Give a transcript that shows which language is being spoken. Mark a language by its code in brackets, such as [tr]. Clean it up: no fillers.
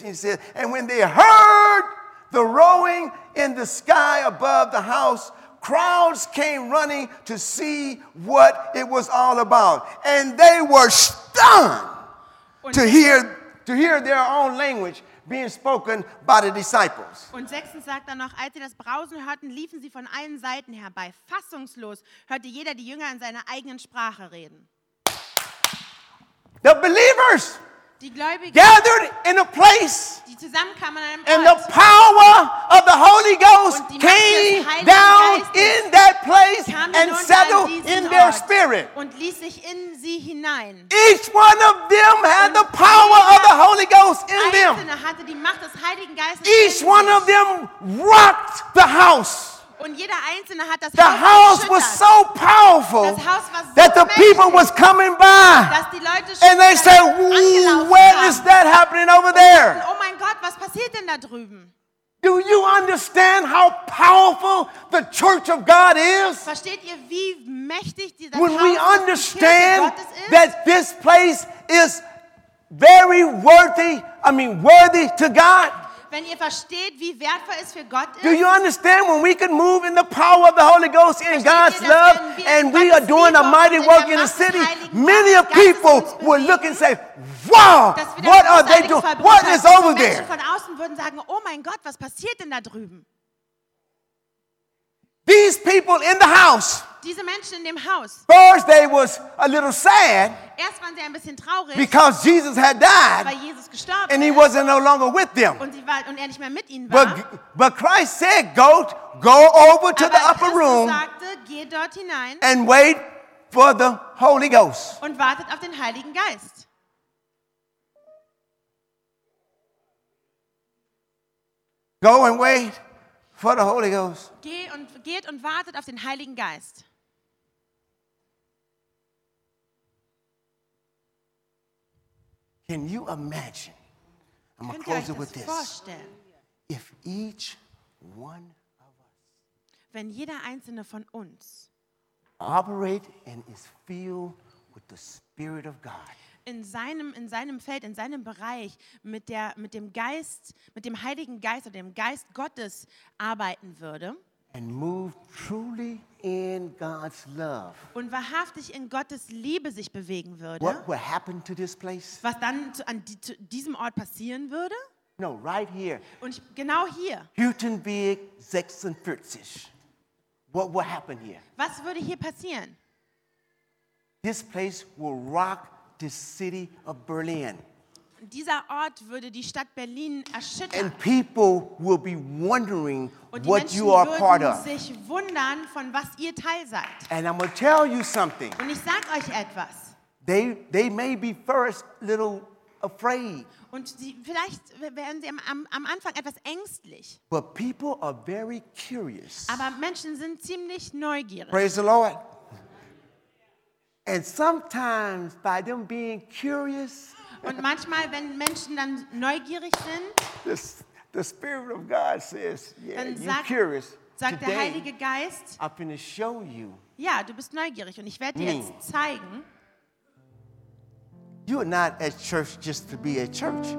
[en] He says, and when they heard the roaring in the sky above the house, crowds came running to see what it was all about. And they were stunned to hear their own language being spoken by the disciples. [de] Und sechstens sagt dann noch, als sie das Brausen hörten, liefen sie von allen Seiten herbei. Fassungslos hörte jeder die Jünger in seiner eigenen Sprache reden. [en] The believers! [de] Die Gläubigen, [en] gathered in a place, [de] die zusammenkamen an einem Ort, [en] and the power of the Holy Ghost came down in that place and settled in their spirit. [de] Und ließ sich in sie hinein. [en] Each one of them had the power of the Holy Ghost in them. [de] Hatte die Macht des Heiligen Geistes. [en] Each one of them rocked the house. [de] Und jeder Einzelne hat das [en] the house was so powerful that the people was coming by. [de] Dass die Leute [en] and they said, where is that happening over there? [de] Oh mein Gott, was passiert denn da drüben? [en] Do you understand how powerful the church of God is? [de] Versteht ihr, wie mächtig dieser [en] when we understand that this place is very worthy to God? [de] Wenn ihr versteht, wie wertvoll es für Gott ist. [en] Do you understand when we can move in the power of the Holy Ghost in God's love and we are doing a mighty work in the city? Many of people will look and say, wow, what are they doing? What is over there? [de] Menschen von außen würden sagen, oh mein Gott, was passiert denn da drüben? [en] These people in the house. [de] Diese Menschen in dem Haus. [en] First they was a little sad. [de] Erst waren sie ein bisschen traurig. [en] Because Jesus had died. [de] Weil Jesus gestorben [en] and he wasn't no longer with them. [de] Und er nicht mehr mit ihnen war. [en] But Christ said, go over to [de] aber [en] the upper [de] Christus [en] room. [de] Sagte, geh dort hinein. [en] And wait for the Holy Ghost. [de] Und wartet auf den Heiligen Geist. [en] Go and wait for the Holy Ghost. [de] Geht und wartet auf den Heiligen Geist. [en] Can you imagine? I'm going to close it with this. [de] Vorstellen? [en] If each one of us, [de] wenn jeder einzelne von uns, [en] operate and is filled with the Spirit of God, [de] in seinem Feld, in seinem Bereich mit dem Heiligen Geist oder dem Geist Gottes arbeiten würde [en] and move truly in God's love, [de] und wahrhaftig in Gottes Liebe sich bewegen würde, [en] what would happen to this place? [de] Was dann zu diesem Ort passieren würde? [en] No, right here. [de] Und genau hier. [en] Hüttenweg 46. What would happen here? [de] Was würde hier passieren? [en] This place will rock the city of Berlin. [de] Dieser Ort würde die Stadt Berlin erschüttern. [en] And people will be wondering what you are part of. [de] Und die Menschen würden sich wundern, von was ihr Teil seid. [en] And I'm going to tell you something. [de] Und ich sag euch etwas. [en] They may be first little afraid. [de] Und sie, vielleicht werden sie am Anfang etwas ängstlich. [en] But people are very curious. [de] Aber Menschen sind ziemlich neugierig. [en] Praise the Lord. And sometimes by them being curious, [de] und manchmal wenn Menschen dann neugierig sind, [en] the Spirit of God says, yeah, [de] dann [en] you're curious. [de] Sagt der Heilige Geist, [en] I'm going to show you. [de] Ja, du bist neugierig und ich werde dir jetzt zeigen. [en] You are not at church just to be a church.